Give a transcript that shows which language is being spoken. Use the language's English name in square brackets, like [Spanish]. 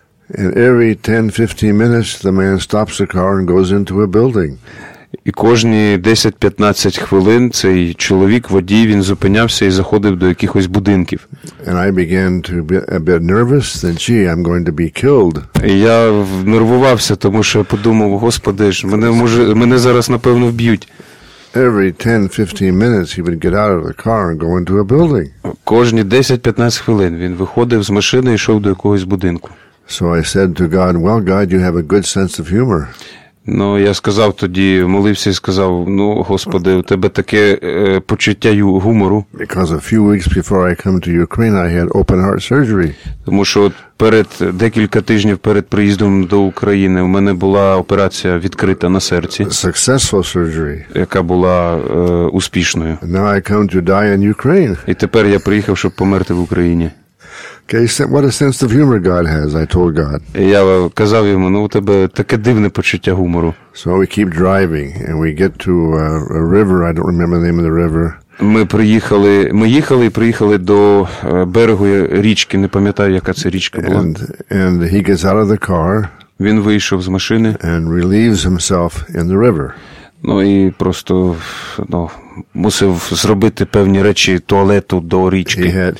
[English] And every 10-15 minutes the man stops the car and goes into a building. [Ukrainian] І кожні 10-15 хвилин цей чоловік, водій, він зупинявся і заходив до якихось будинків. [English] And I began to be a bit nervous, then, gee, I'm going to be killed. [Ukrainian] І я нервувався, тому що я подумав, господи ж, мене зараз, напевно, вб'ють. [English] Every 10-15 minutes he would get out of the car and go into a building. [Ukrainian] Кожні 10-15 хвилин він виходив з машини і йшов до якогось будинку. [English] So I said to God, "Well, God, you have a good sense of humor." [Ukrainian] Ну, я сказав тоді, молився і сказав, ну, Господи, у тебе таке почуття гумору. [English] Because a few weeks before I came to Ukraine, I had open heart surgery. [Ukrainian] Тому що перед декілька тижнів перед приїздом до України у мене була операція відкрита на серці. [English] Successful surgery. [Ukrainian] Яка була успішною. [English] Now I come to die in Ukraine. [Ukrainian] І тепер я приїхав, щоб померти в Україні. [English] Okay, what a sense of humor God has, I told God. [Ukrainian] Я казав йому, ну, у тебе таке дивне почуття гумору. [English] So we keep driving, and we get to a river, I don't remember the name of the river. [Ukrainian] Ми їхали до берегу річки, не пам'ятаю, яка це річка була. [English] And he gets out of the car. [Ukrainian] Він вийшов з машини. [English] And relieves himself in the river. [Ukrainian] Ну, і просто, ну, мусив зробити певні речі туалету до річки.